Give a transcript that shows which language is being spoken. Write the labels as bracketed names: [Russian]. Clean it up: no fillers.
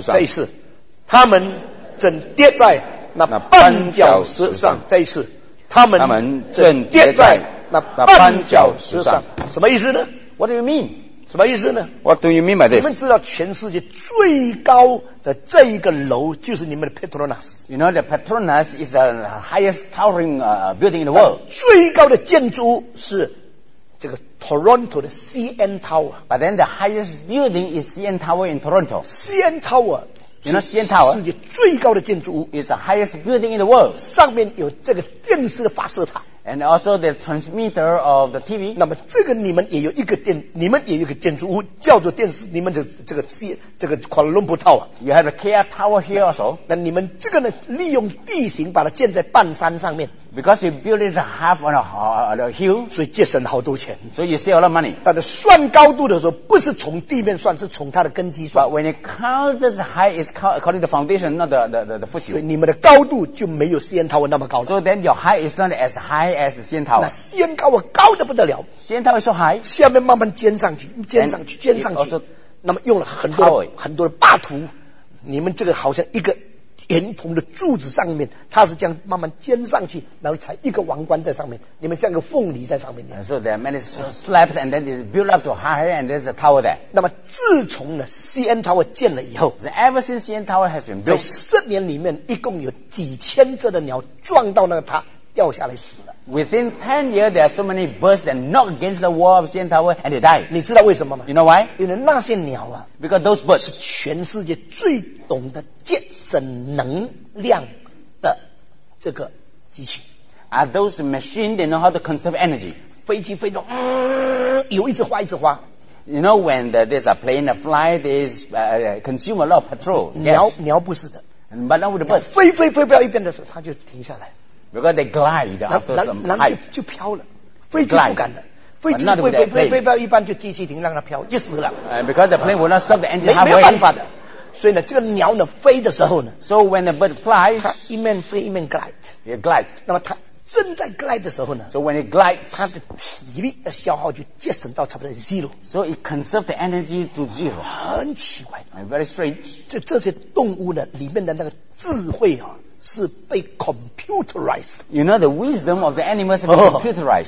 [Chinese] 这一次，他们正跌在那绊脚石上。这一次，他们正跌在那绊脚石上。什么意思呢？ [English] What do you mean? [Chinese] 什么意思呢？ [English] What do you mean by this? [Chinese] 你们知道全世界最高的这一个楼就是你们的 Petronas. [English] You know, the Petronas is the highest towering building in the world. [Chinese] 最高的建筑是这个 Toronto 的 CN Tower. [English] But then the highest building is CN Tower in Toronto. CN Tower. You know, CN Tower. [Chinese] 世界最高的建筑物 [English] is the highest building in the world. [Chinese] 上面有这个电视的发射塔。 [English] And also the transmitter of the TV. [Chinese] 那么这个你们也有一个电，你们也有一个建筑物叫做电视，你们的这个Kuala Lumpur Tower. [English] You have a KL Tower here also. [Chinese] 那你们这个呢，利用地形把它建在半山上面。 [English] Because you build it half on a hill. [Chinese] 所以节省好多钱。 [English] So you save a lot of money. [Chinese] 但是算高度的时候，不是从地面算，是从它的根基算。 [English] But when you count the height, it's according to the foundation, not the footing. [Chinese] 所以你们的高度就没有 CN Tower 那么高。 [English] So then your height is not as high. as 仙桃， [Chinese] 那仙桃我高得不得了，仙桃说还下面慢慢尖上去，尖上去，尖上去，那么用了很多的很多的霸图，你们这个好像一个圆筒的柱子上面，它是这样慢慢尖上去，然后才一个王冠在上面，你们像个凤梨在上面。 [English] So there are many slabs and then it's built up to higher and there's a tower there. [Chinese] 那么自从呢 CN Tower 建了以后 [English] so, ever since CN Tower has been built, [Chinese] 在十年里面一共有几千只的鸟撞到那个塔掉下来死了。 [English] Within 10 years, there are so many birds that knock against the wall of CN Tower and they die. [Chinese] 你知道为什么吗？ [English] You know why? [Chinese] 因为那些鸟啊， [English] because those birds [Chinese] 是全世界最懂得节省能量的这个机器。 [English] Are those machines that know how to conserve energy? [Chinese] 飞机飞动，油一直花一直花。 [English] You know when there's a plane that flies, they consume a lot of petrol. [Chinese] 鸟不是的。 [English] But not with the birds. [Chinese] 飞飞飞不到一边的时候，它就停下来。 [English] Because they glide after some height. [Chinese] 就飘了，飞机不敢的，飞机会飞飞飞飞到一半就机器停，让它飘就死了。 [English] Because the plane will not stop the engine halfway. [Chinese] 没有办法的，所以呢，这个鸟呢飞的时候呢 [English] ，So when the bird flies, [Chinese] 它一面飞一面 glide. [English] It glide. [Chinese] 那么它正在 glide 的时候呢 [English] ，So when it glides, [Chinese] 它的体力的消耗就节省到差不多 zero. [English] So it conserves the energy to zero. [Chinese] 很奇怪 [English] ，And very strange. [Chinese] 这些动物呢里面的那个智慧啊。是被 computerized. [English] You know the wisdom of the animals is computerized.